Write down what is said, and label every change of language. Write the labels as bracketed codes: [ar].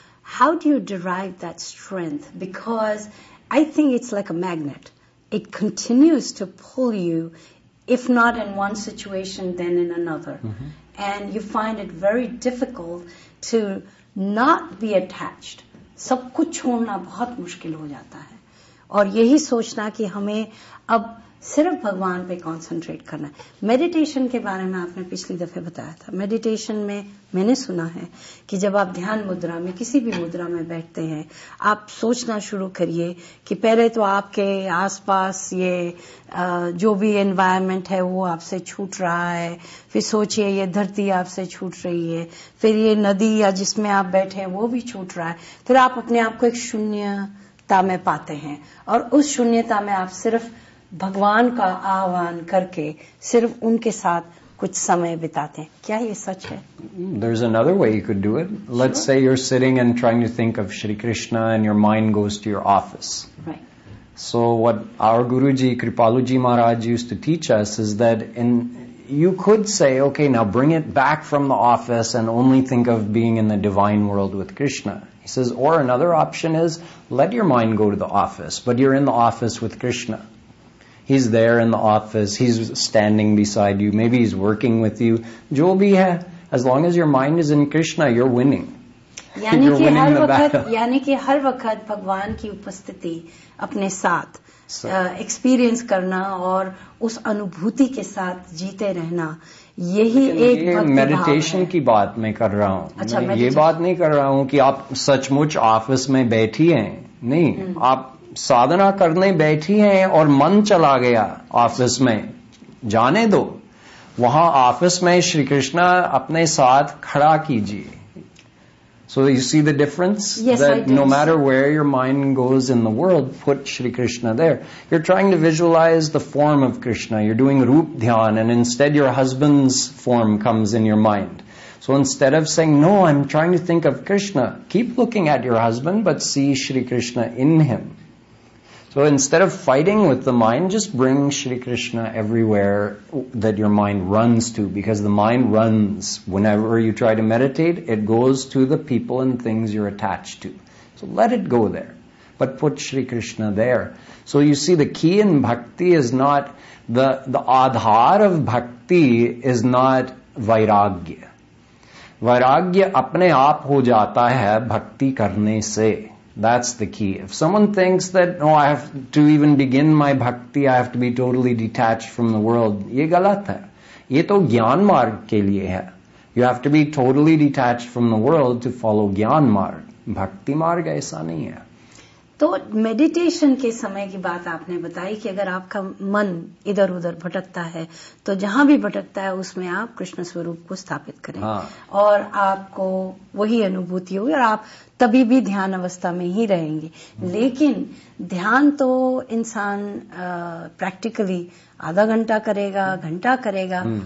[en] How do you derive that strength? Because I think it's like a magnet. It continues to pull you, if not in one situation, then in another. Mm-hmm. And you find it very difficult to not be attached. [hi] Sab kuch chhodna bahut mushkil ho jata hai. और यही सोचना कि हमें अब सिर्फ भगवान पे concentrate करना है मेडिटेशन के बारे में आपने पिछली दफे बताया था मेडिटेशन में मैंने सुना है कि जब आप ध्यान मुद्रा में किसी भी मुद्रा में बैठते हैं आप सोचना शुरू करिए कि पहले तो आपके आसपास ये जो भी एनवायरनमेंट है वो आपसे छूट रहा है फिर सोचिए ये धरती आपसे छूट रही है फिर ये नदी या जिसमें आप बैठे हैं वो भी छूट रहा है फिर आप अपने आप को एक शून्य ता में पाते हैं और उस शून्यता में आप सिर्फ भगवान का आह्वान करके सिर्फ उनके साथ कुछ समय बिताते हैं क्या ये सच है [en] There's another way you could do it. Let's say you're sitting and trying to think of Shri Krishna and your mind goes to your office. Right. So what our Guruji, Kripaluji Maharaj used to teach us is that in you could say, okay, now bring it back from the office and only think of being in the divine world with Krishna. He says, or another option is, let your mind go to the office, but you're in the office with Krishna. He's there in the office, he's standing beside you, maybe he's working with you. [hi] Jo bhi hai, [en] as long as your mind is in Krishna, you're winning. [hi] यानी कि हर वक्त भगवान की उपस्थिति अपने साथ experience करना और उस अनुभूति के साथ जीते रहना यही एक मेडिटेशन की बात मैं कर रहा हूँ ये बात नहीं कर रहा हूँ कि आप सचमुच ऑफिस में बैठी हैं नहीं आप साधना करने बैठी हैं और मन चला गया ऑफिस में जाने दो वहाँ ऑफिस में श्री कृष्णा अपने साथ खड़ा कीजिए [en] So you see the difference? Yes, that I do. No matter where your mind goes in the world, put Shri Krishna there. You're trying to visualize the form of Krishna. You're doing Rup Dhyan and instead your husband's form comes in your mind. So instead of saying, no, I'm trying to think of Krishna, keep looking at your husband but see Shri Krishna in him. So instead of fighting with the mind, just bring Shri Krishna everywhere that your mind runs to. Because the mind runs whenever you try to meditate, it goes to the people and things you're attached to. So let it go there. But put Shri Krishna there. So you see, the key in bhakti is not, the adhar of bhakti is not vairagya. [hi] वैराग्य अपने आप हो जाता है भक्ति करने से. [en] That's the key. If someone thinks that, oh, I have to even begin my bhakti, I have to be totally detached from the world, [hi] ye galat hai. ये तो ज्ञान मार्ग के लिए है. [en] You have to be totally detached from the world to follow gyan marg. [hi] भक्ति मार्ग ऐसा नहीं है. तो मेडिटेशन के समय की बात आपने बताई कि अगर आपका मन इधर उधर भटकता है तो जहां भी भटकता है उसमें आप कृष्ण स्वरूप को स्थापित करें हाँ. और आपको वही अनुभूति होगी और आप तभी भी ध्यान अवस्था में ही रहेंगे लेकिन ध्यान तो इंसान प्रैक्टिकली आधा घंटा करेगा घंटा करेगा